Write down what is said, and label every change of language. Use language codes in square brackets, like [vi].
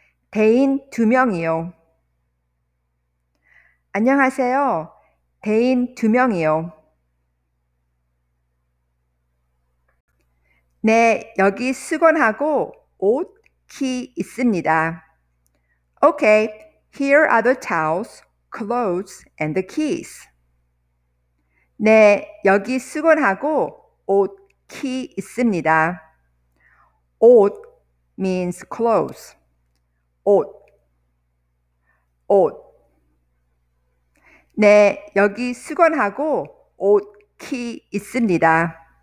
[ko] 대인 두 명이요. 안녕하세요. 대인 두 명이요. 네, 여기 수건하고 옷, 키 있습니다. [en] Okay, here are the towels, clothes, and the keys. [ko] 네, 여기 수건하고 옷, 키 있습니다. [en] 옷 means clothes. [ko] 옷. 옷. 네, 여기 수건하고 옷, 키 있습니다.